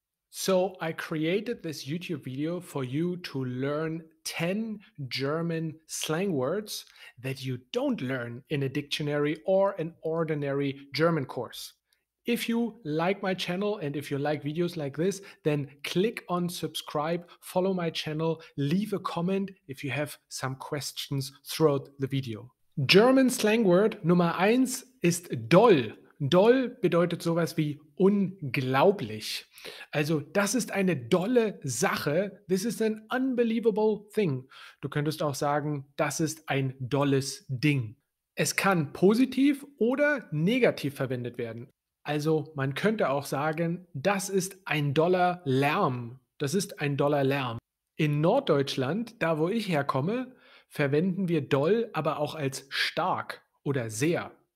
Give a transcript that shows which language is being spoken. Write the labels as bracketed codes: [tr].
[en] So I created this YouTube video for you to learn 10 German slang words that you don't learn in a dictionary or an ordinary German course. If you like my channel and if you like videos like this, then click on subscribe, follow my channel, leave a comment if you have some questions throughout the video. German slang word [de] Nummer 1 ist doll. Doll bedeutet sowas wie unglaublich. Also das ist eine dolle Sache. [en] This is an unbelievable thing. [de] Du könntest auch sagen, das ist ein dolles Ding. Es kann positiv oder negativ verwendet werden. Also man könnte auch sagen, das ist ein doller Lärm. Das ist ein doller Lärm. In Norddeutschland, da wo ich herkomme, verwenden wir doll aber auch als stark oder sehr.